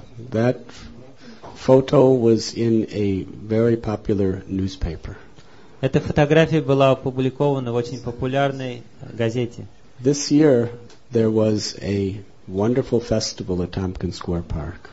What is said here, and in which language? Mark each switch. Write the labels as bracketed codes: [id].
[en] That photo was in a very popular newspaper. [ru] Эта фотография была опубликована в очень популярной газете. [en] This year there was a wonderful festival at Tompkins Square Park.